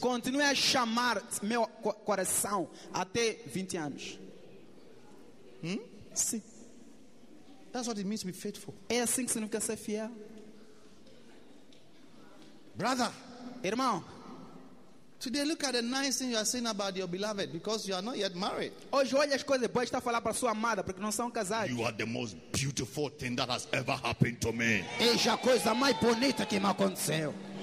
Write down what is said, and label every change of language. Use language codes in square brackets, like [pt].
[pt] Continue a chamar meu coração até 20 anos. Sim. [en] That's what it means to be faithful. [pt] É assim que significa ser fiel. [en] Brother. [pt] Irmão. [en] Today, look at the nice thing you are saying about your beloved because you are not yet married. [pt] Hoje, olha as coisas boas que está a falar para sua amada porque não são casados. [en] You are the most beautiful thing that has ever happened to me. [pt] Eis a coisa mais bonita que me aconteceu.